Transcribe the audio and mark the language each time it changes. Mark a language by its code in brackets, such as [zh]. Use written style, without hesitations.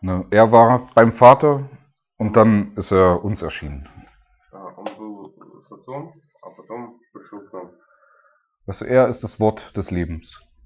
[de] Er war beim Vater und dann ist er uns erschienen. [uk] Он був з Отцом, а потім прийшов к нам. [de] Also er ist das Wort des Lebens.